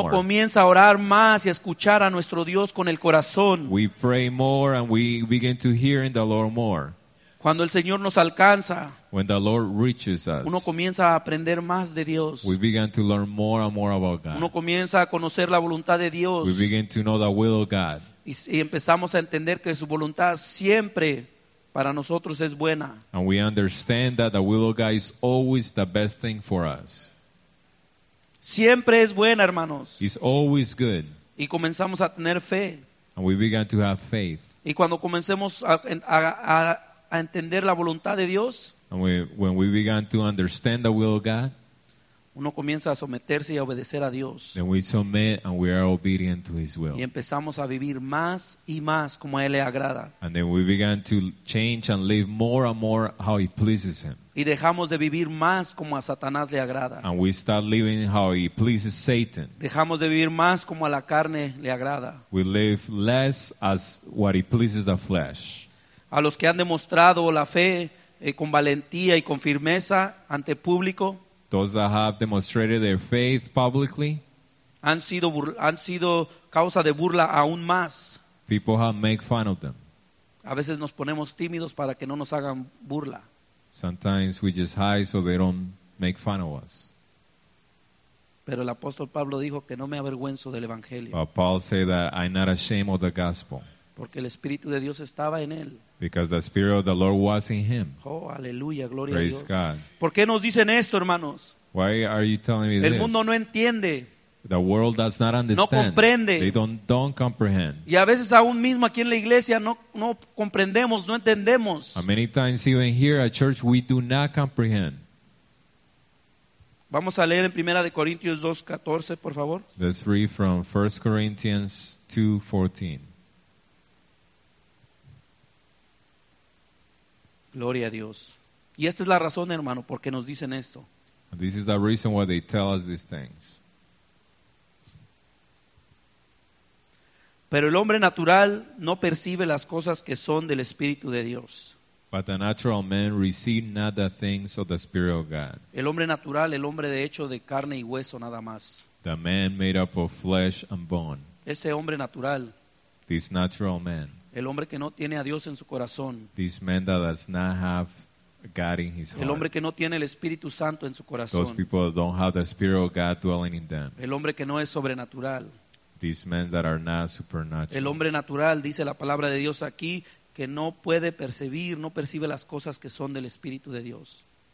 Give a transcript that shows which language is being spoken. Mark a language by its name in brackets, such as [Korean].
[Spanish] Uno comienza a orar más y a escuchar a nuestro Dios con el corazón. [English] We pray more and we begin to hear in the Lord more. [Spanish] Cuando el Señor nos alcanza, [English] when the Lord reaches us, [Spanish] uno comienza a aprender más de Dios. [English] We begin to learn more and more about God. [Spanish] Uno comienza a conocer la voluntad de Dios. [English] We begin to know the will of God. [Spanish] Y empezamos a entender que su voluntad siempre para nosotros es buena. [English] And we understand that the will of God is always the best thing for us. [Spanish] Siempre es buena, hermanos. [English] It's always good. [Spanish] Y comenzamos a tener fe. [English] And we begin to have faith. [Spanish] Y cuando comencemos a entender la voluntad de Dios, [English] when we began to understand the will of God, [Spanish] uno comienza a someterse y a obedecer a Dios. [English] Then we submit and we are obedient to His will. [Spanish] Y empezamos a vivir más y más como a Él le agrada. [English] And then we began to change and live more and more how He pleases Him. [Spanish] Y dejamos de vivir más como a Satanás le agrada. [English] And we start living how He pleases Satan. [Spanish] Dejamos de vivir más como a la carne le agrada. [English] We live less as what He pleases the flesh. [Spanish] A los que han demostrado la fe con valentía y con firmeza ante público, [English] those that have demonstrated their faith publicly, [Spanish] han sido causa de burla aún más. [English] People have made fun of them. [Spanish] A veces nos ponemos tímidos para que no nos hagan burla. [English] Sometimes we just hide so they don't make fun of us. [Spanish] Pero el apóstol Pablo dijo que no me avergüenzo del evangelio. [English] But Paul said that I'm not ashamed of the gospel. [Spanish] Porque el Espíritu de Dios estaba en él. [English] Because the Spirit of the Lord was in him. [Spanish] Oh, aleluya, gloria [English] Praise [Spanish] a Dios. [English] God. [Spanish] ¿Por qué nos dicen esto, hermanos? [English] Why are you telling me [Spanish] el [English] this? [Spanish] El mundo no entiende. [English] The world does not understand. [Spanish] No comprende. [English] They don't comprehend. [Spanish] Y a veces aún mismo aquí en la iglesia no comprendemos, no entendemos. [English] And many times even here at church we do not comprehend. [Spanish] Vamos a leer en 1 Corintios 2:14, por favor. [English] Let's read from 1 Corinthians 2:14. [Spanish] Gloria a Dios. Y esta es la razón, hermano, por qué nos dicen esto. [English] This is the reason why they tell us these things. [Spanish] Pero el hombre natural no percibe las cosas que son del Espíritu de Dios. [English] But the natural man receives not the things of the Spirit of God. [Spanish] El hombre natural, el hombre de hecho de carne y hueso nada más. [English] The man made up of flesh and bone. [Spanish] Ese hombre natural. [English] This natural man. [Spanish] El hombre que no tiene a Dios en su corazón. [English] This man that does not have God in his heart. [Spanish] El hombre que no tiene el Espíritu Santo en su corazón. [English] Those people that don't have the Spirit of God dwelling in them. [Spanish] El hombre que no es sobrenatural. [English] These men that are not supernatural. [Spanish] El hombre natural, dice la palabra de Dios aquí, que no puede percibir, no percibe las cosas que son del Espíritu de Dios.